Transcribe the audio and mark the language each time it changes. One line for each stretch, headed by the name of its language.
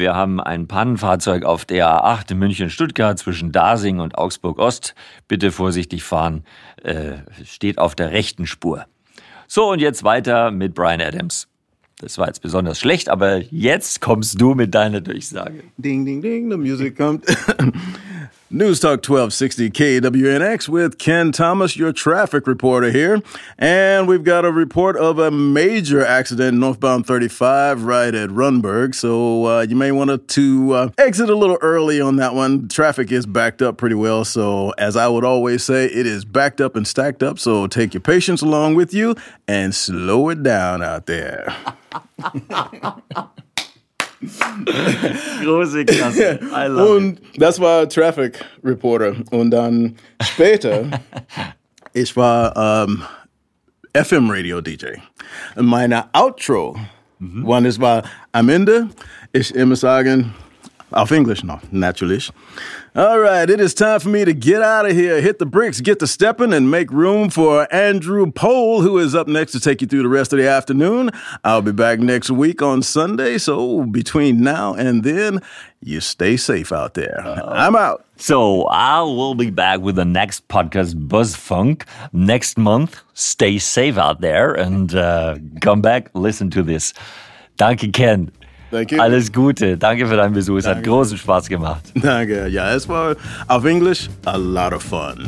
German: Wir haben ein Pannenfahrzeug auf der A8 in München-Stuttgart zwischen Dasing und Augsburg-Ost. Bitte vorsichtig fahren. Steht auf der rechten Spur. So, und jetzt weiter mit Bryan Adams. Das war jetzt besonders schlecht, aber jetzt kommst du mit deiner Durchsage.
English: Ding, ding, ding, the music kommt. News Talk 1260 KWNX with Ken Thomas, your traffic reporter here. And we've got a report of a major accident northbound 35 right at Runberg. So you may want to exit a little early on that one. Traffic is backed up pretty well. So as I would always say, it is backed up and stacked up. So take your patience along with you and slow it down out there.
German: Große Klasse.
English: I love
German: und das war Traffic Reporter. Und dann später, ich war FM-Radio DJ. Und meine Outro, wann es war am Ende, ich immer sagen, auf Englisch noch, natürlich.
English: All right, it is time for me to get out of here. Hit the bricks, get to stepping, and make room for Andrew Pohl, who is up next to take you through the rest of the afternoon. I'll be back next week on Sunday, so between now and then, you stay safe out there. I'm out. So I will be back with the next podcast, BuzzFunk, next month. Stay safe out there, and come back, listen to this.
German: Danke, Ken.
English: Thank you.
German: Alles Gute. Danke für deinen Besuch. Es hat großen Spaß gemacht. Danke. Ja, es war auf Englisch
English: a lot of fun.